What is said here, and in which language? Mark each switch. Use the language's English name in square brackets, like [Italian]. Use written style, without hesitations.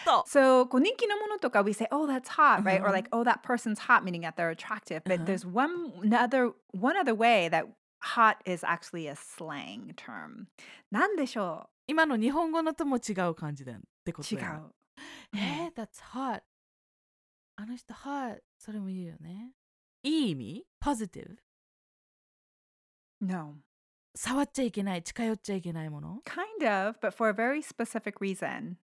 [English] So, [Japanese] こう人気のものとか [English] we say, Oh, that's hot, right?、Or like, Oh, that person's hot, meaning that they're attractive. But、there's one other way that hot is actually a slang term. [Japanese] 何でしょう? 今の日本語のとも違う感じだよってことや。違う。 [English] That's hot. [Japanese] あの人 hot. それも言うよね。いい意味? [English] Positive? No. [Japanese] 触っちゃいけない、近寄っちゃいけないもの? [English] Kind of, but for a very specific reason.